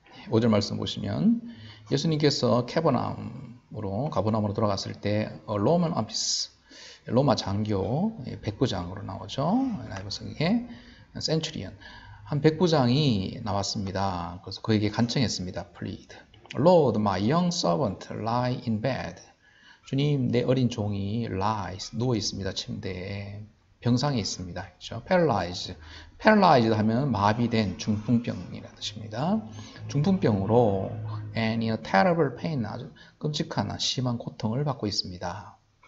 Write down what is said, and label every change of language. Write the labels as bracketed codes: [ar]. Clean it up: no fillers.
[ko] 5절 말씀 보시면 예수님께서 가버나움으로 돌아갔을 때 로만 암피스, 로마 장교, 백부장으로 나오죠. 라이브성의 센츄리언. 한 백부장이 나왔습니다. 그래서 그에게 간청했습니다. [en] Plead. Lord, my young servant lie in bed. [ko] 주님, 내 어린 종이 누워 있습니다. 침대에. 병상에 있습니다. 그렇죠? Paralyzed. Paralyzed 하면 마비된 중풍병이라는 뜻입니다. 중풍병으로 [en] and in a terrible pain, [ko] 아주 끔찍한 심한 고통을 받고 있습니다.